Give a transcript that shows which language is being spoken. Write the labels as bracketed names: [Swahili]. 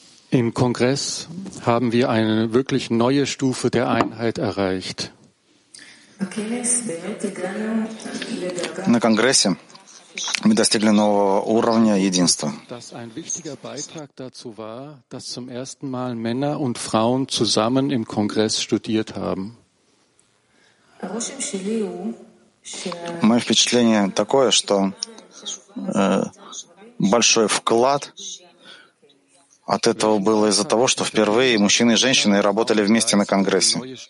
[German] Im Kongress haben wir eine wirklich neue Stufe der Einheit erreicht. [Russian] На Конгрессе мы достигли нового уровня единства. [German] Dass ein wichtiger Beitrag dazu war, dass zum ersten Mal Männer und Frauen zusammen im Kongress studiert haben. [Russian] Мое впечатление такое, что большой вклад от этого было из-за того, что впервые мужчины и женщины работали вместе на Конгрессе.